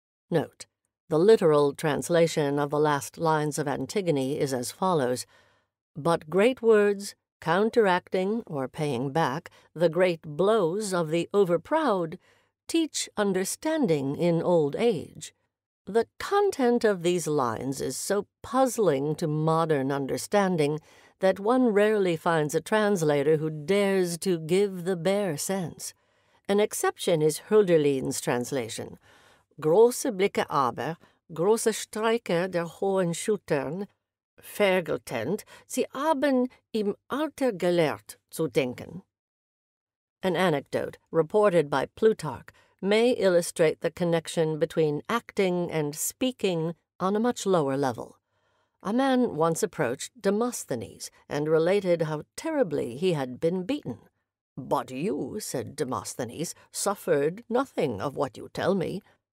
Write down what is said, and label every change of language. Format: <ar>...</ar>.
<en>Note, the literal translation of the last lines of Antigone is as follows: but great words, counteracting or paying back the great blows of the overproud, teach understanding in old age. The content of these lines is so puzzling to modern understanding that one rarely finds a translator who dares to give the bare sense. An exception is Hölderlin's translation.</en> <de>Große Blicke aber, große Streiche der hohen Schultern, vergeltend, sie haben im Alter gelehrt zu denken.</de> <en>An anecdote reported by Plutarch may illustrate the connection between acting and speaking on a much lower level. A man once approached Demosthenes and related how terribly he had been beaten. But you, said Demosthenes, suffered nothing of what you tell me.</en>